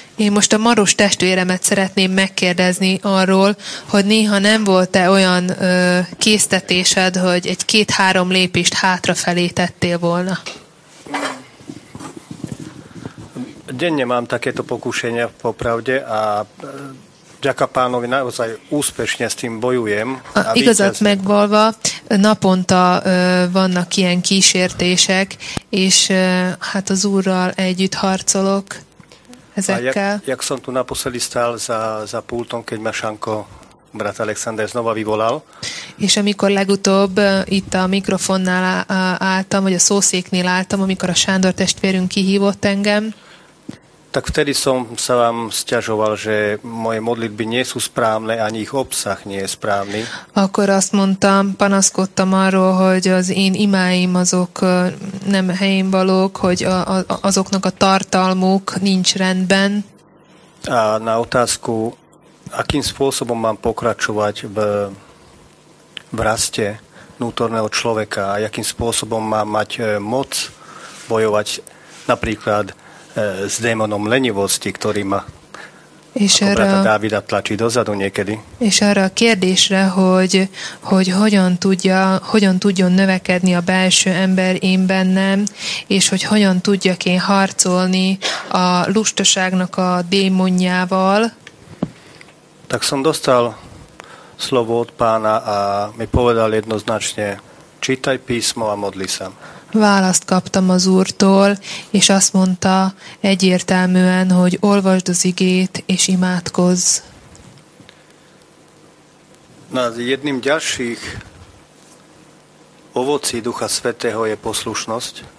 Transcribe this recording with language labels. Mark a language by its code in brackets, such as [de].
[hu] Én most a Maros testvéremet szeretném megkérdezni arról, hogy néha nem volt-e olyan késztetésed, hogy egy 2-3 lépést hátrafelé tettél volna? [sk] Denne mám takéto pokušenie popravde a ďaká pánovi, naozaj úspešne s tým bojujem. [hu] A igazat megvalva, naponta vannak ilyen kísértések, és hát az Úrral együtt harcolok ezekkel. [sk] Jak som tu naposledy stál za pulton, keď ma Šanko, brat Alexander, znova vyvolal. [hu] És amikor legutóbb itt a mikrofonnál álltam, vagy a szószéknél álltam, amikor a Sándor testvérünk kihívott engem, [sk] tak vtedy som sa vám sťažoval, že moje modlitby nie sú správne, ani ich obsah nie je správny. [hu] Akkor azt mondtam, panaszkodtam arról, hogy az én imáim azok nem helyén valók, hogy azoknak a tartalmuk nincs rendben. [sk] A na otázku, akým spôsobom mám pokračovať v raste vnútorného človeka a akým spôsobom mám mať moc bojovať napríklad s démonom lenivosti, ktorý ma [hu] és [sk] ako brata Dávida tlačí dozadu niekedy. [hu] És arra a kérdésre, hogy hogyan tudjon növekedni a belső ember én bennem, és hogy hogyan tudjak én harcolni a lustaságnak a démonjával. [sk] Tak som dostal slovo od pána a mi povedal jednoznačne, čítaj písmo a modli sa. [hu] Választ kaptam az Úrtól, és azt mondta egyértelműen, hogy olvasd az igét, és imádkozz. [sk] Na, jedným ďalších ovocí Ducha Svätého je poslušnosť.